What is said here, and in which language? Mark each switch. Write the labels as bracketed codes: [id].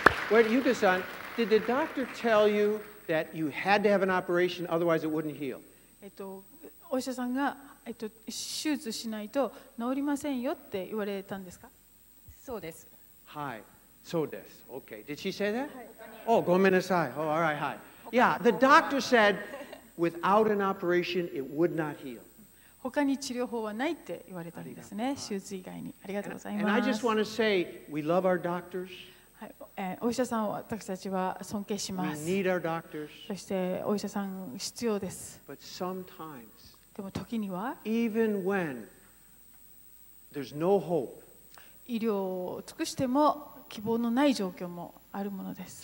[en] Wait, Yuka-san, did the doctor tell you that you had to have an operation, otherwise it wouldn't heal? [ja] お医者さんが、手術しないと治りませんよって言われたんですか？そうです。はい、そうです。 [en] Okay. Did she say that? Oh, [ja] ごめんなさい。 [en] Oh, all right, hi. Yeah, the doctor said without an operation, it would not heal. [ja] 他に治療法はないって言われたんですね、手術以外に。ありがとうございます。 [en] And I just want to say, we love our doctors. [ja] お医者さんを私たちは尊敬します。 [en] We need our doctors. [ja] そしてお医者さん必要です。 [en] But sometimes, [ja] でも時には、 [en] even when there's no hope, [ja] 医療を尽くしても希望のない状況もあるものです。